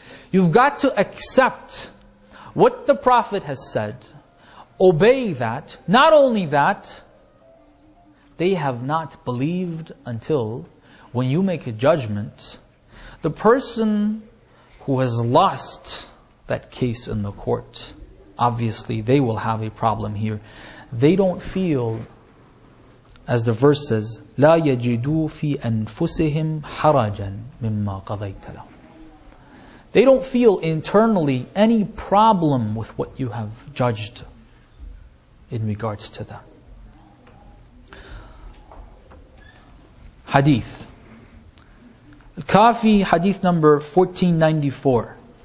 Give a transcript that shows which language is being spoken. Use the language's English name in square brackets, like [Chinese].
[English] You've got to accept what the Prophet has said. Obey that. Not only that, they have not believed until when you make a judgment, the person who has lost that case in the court, obviously, they will have a problem here. They don't feel, as the verse says, [Arabic] لا يجدوا في أنفسهم حرجا مما قضيت لهم. [English] They don't feel internally any problem with what you have judged in regards to them. Hadith. Al-Kafi, hadith number 1494.